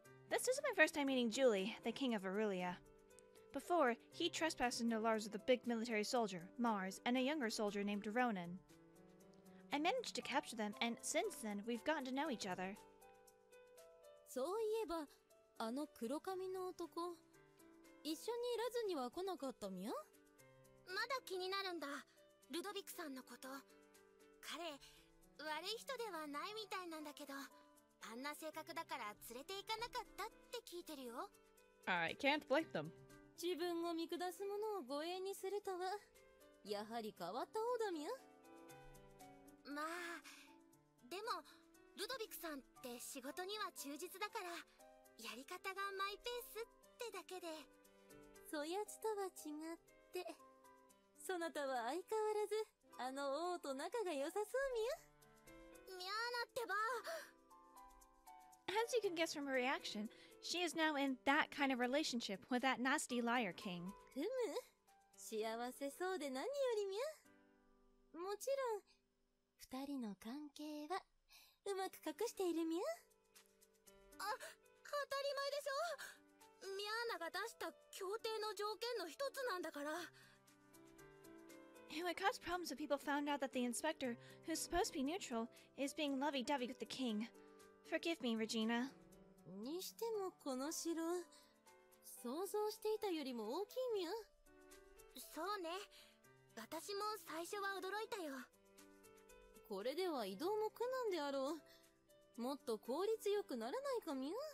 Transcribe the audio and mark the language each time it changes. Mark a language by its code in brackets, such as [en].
[en] This isn't my first time meeting Julie, the king of Irulia. Before, he trespassed into Lars with a big military soldier, Mars, and a younger soldier named Ronan. I managed to capture them, and since then, we've gotten to know each other. [ja] そういえば、あの黒髪の男、一緒にいらずには来なかったみゃ? まだ気になるんだ、ルドビクさんのこと。彼、悪い人ではないみたいなんだけど。あんな性格だから連れて行かなかったって聞いてるよ。 [en] I can't blame them. [ja] 自分を見下すものを護衛にするとは、やはり変わった方だみゃ。まあ、でも、ルドビクさんって仕事には忠実だから、やり方がマイペースってだけで。そやつとは違って、そなたは相変わらず、あの王と仲が良さそうみゃ。みゃーなってば。 [en] As you can guess from her reaction, she is now in that kind of relationship with that nasty liar king. [ja] ふむ、幸せそうで何よりみゃ。もちろん、二人の関係はうまく隠しているみゃ。あ、当たり前でしょ。ミアーナが出した協定の条件の一つなんだから。 [en] It would cause problems if people found out that the inspector, who's supposed to be neutral, is being lovey-dovey with the king. Forgive me, Regina. [ja] にしてもこの城、想像していたよりも大きいみゃ。そうね。私も最初は驚いたよ。これでは移動も苦難であろう。もっと効率よくならないかみゃ。